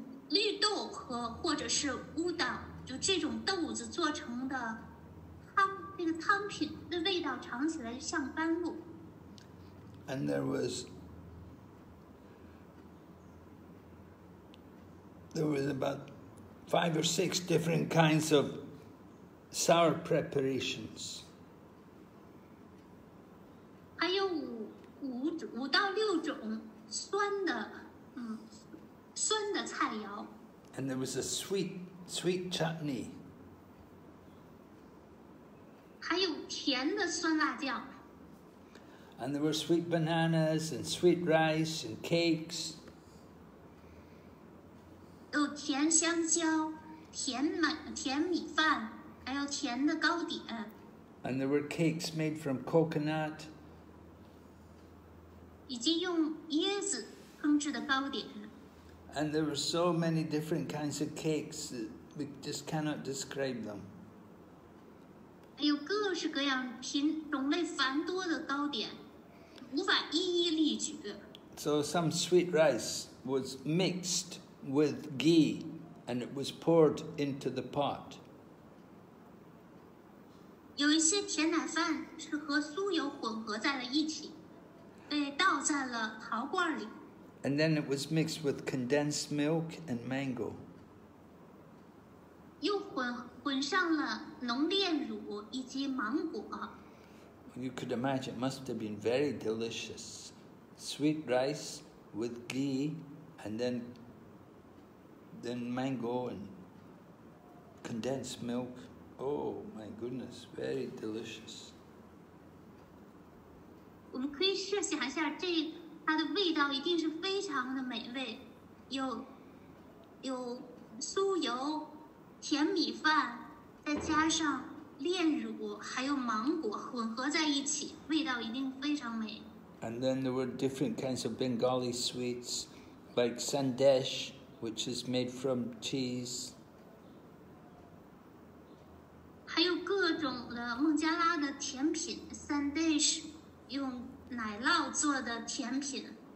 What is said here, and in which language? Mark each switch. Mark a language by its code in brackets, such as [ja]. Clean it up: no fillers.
[zh] 绿豆和或者是乌冬，就这种豆子做成的汤，那个汤品的味道尝起来就像甘露。 [en] And there was about five or six different kinds of sour preparations. [zh] 还有五到六种酸的，酸的菜肴。 [en] And there was a sweet chutney. [zh] 还有甜的酸辣酱。 [en] And there were sweet bananas and sweet rice and cakes. [zh] 有甜香蕉，甜米饭，还有甜的糕点。 [en] And there were cakes made from coconut. [zh] 以及用椰子烹制的糕点。 [en] And there were so many different kinds of cakes that we just cannot describe them. [zh] 还有各式各样品种类繁多的糕点。无法一一例举。 [en] So some sweet rice was mixed with ghee, and it was poured into the pot. [zh] 有一些甜奶饭是和酥油混合在了一起，被倒在了陶罐里。 [en] And then it was mixed with condensed milk and mango. [zh] 又混上了浓炼乳以及芒果。 [en] You could imagine it must have been very delicious. Sweet rice with ghee and then mango and condensed milk. Oh my goodness, very delicious. We can [zh] 设想一下，这它的味道一定是非常的美味，有酥油、甜米饭，再加上炼乳还有芒果混合在一起，味道一定非常美。 [en] And then there were different kinds of Bengali sweets, like sandesh, which is made from cheese. [zh] 还有各种的孟加拉的甜品 ，sandesh， 用奶酪做的甜品。